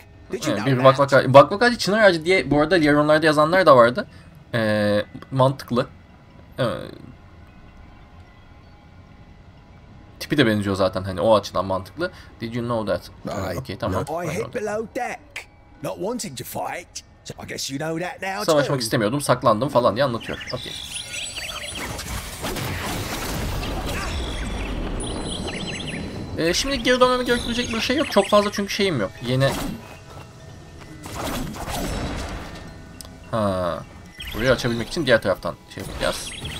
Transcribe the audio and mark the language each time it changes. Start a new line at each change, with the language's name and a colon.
Turkish: Bir bak bak ağacı çınar ağacı diye bu arada diğer onlarda yazanlar da vardı. Mantıklı. Tipi de benziyor zaten hani o açıdan mantıklı.
English: Did you know that? Okay,
Turkish: tamam.
English: I hid below deck, not wanting to fight. So I guess you know that now.
Turkish: Savaşmak istemiyordum, saklandım falan diye anlatıyor. Okay. Şimdi geri dönmeme gerektirecek bir şey yok. Çok fazla çünkü şeyim yok. Yeni. Ha. Burayı açabilmek için diğer taraftan şey yapacağız.